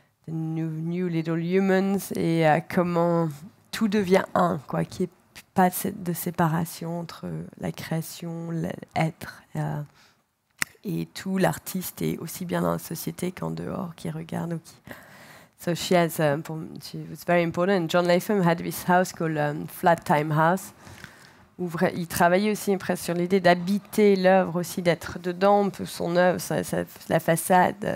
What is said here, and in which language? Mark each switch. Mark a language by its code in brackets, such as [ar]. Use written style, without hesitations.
[en] New little humans, [fr] et comment tout devient un, quoi, qu'il n'y ait pas de séparation entre la création, l'être. Et tout l'artiste est aussi bien dans la société qu'en dehors, qui regarde ou qui. [en] So she has, she was very important. John Latham had this house called Flat Time House. [fr] Il travaillait aussi presque sur l'idée d'habiter l'œuvre aussi, d'être dedans, son œuvre, la façade.